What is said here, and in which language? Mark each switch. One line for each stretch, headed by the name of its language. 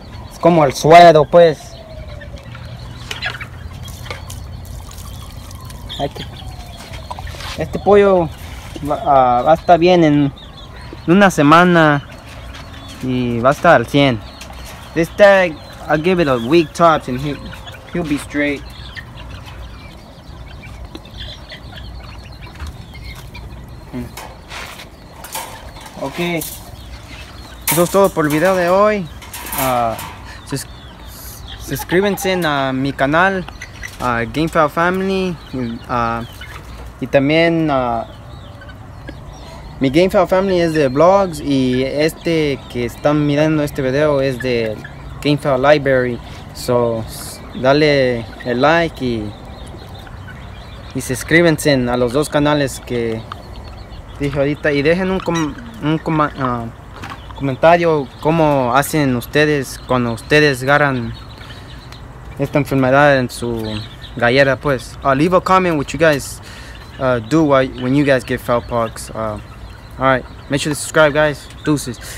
Spanish: Es como el suero, pues. Este pollo va a estar bien en una semana. Y va a estar al 100.
English: This tag, I'll give it a week tops and he'll be straight. Okay.
Spanish: Eso es todo por el video de hoy. Suscríbanse a mi canal, GameFowl Family. Y también, mi GameFowl Family es de vlogs, y este que están mirando este video es de GameFowl Library. So, dale el like y suscríbanse a los dos canales que dije ahorita. Y dejen un comentario cómo hacen ustedes cuando ustedes agarran esta enfermedad en su gallera, pues.
English: Leave a comment what you guys do when you guys get fowlpox. All right, make sure to subscribe, guys. Deuces.